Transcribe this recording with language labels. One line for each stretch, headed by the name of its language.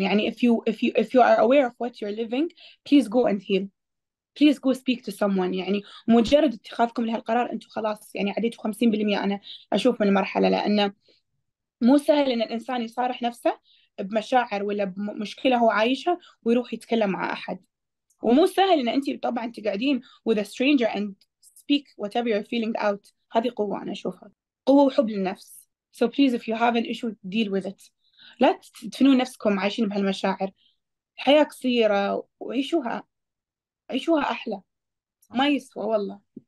English: يعني if you are aware of what you're living, please go and heal. Please go speak to someone.
Arabic: يعني مجرد اتخاذكم لهالقرار انتم خلاص يعني عديتوا 50% انا اشوف من المرحله، لانه مو سهل ان الانسان يصارح نفسه بمشاعر ولا بمشكله هو عايشها ويروح يتكلم مع احد. ومو سهل ان انت طبعا تقعدين
English: with a stranger and speak whatever you're feeling out.
Arabic: هذه قوه انا اشوفها، قوه وحب للنفس.
English: So please if you have an issue, deal with it.
Arabic: لا تدفنون نفسكم عايشين بهالمشاعر. الحياة قصيرة وعيشوها، عيشوها أحلى، ما يسوى والله.